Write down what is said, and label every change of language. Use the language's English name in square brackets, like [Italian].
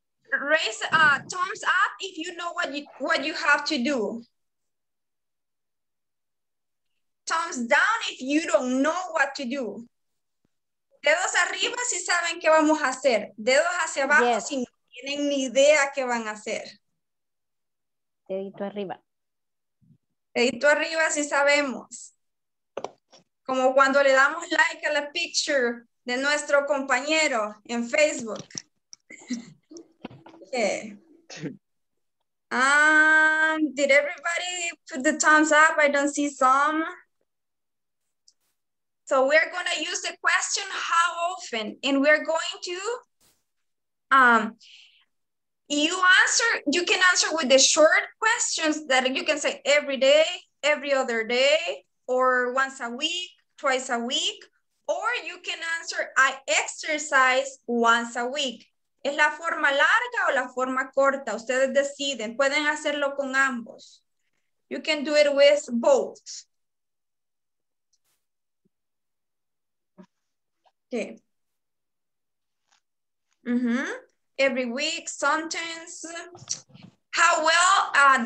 [English] Raise thumbs up if you know what you have to do. Thumbs down if you don't know what to do. [Spanish] Dedos arriba si saben qué vamos a hacer. Dedos hacia abajo si no tienen ni idea qué van a hacer. Dedito arriba. Dedito arriba si sabemos. Como cuando le damos like a la picture de nuestro compañero en Facebook. [English] Did everybody put the thumbs up? I don't see some. So we're going to use the question, how often? And we're going to, you can answer with the short questions that you can say every day, every other day, or once a week, twice a week, or you can answer, I exercise once a week. [Spanish] ¿Es la forma larga o la forma corta? Ustedes deciden. Pueden hacerlo con ambos. [English] You can do it with both. Okay. Mm-hmm. Every week, sometimes. How well?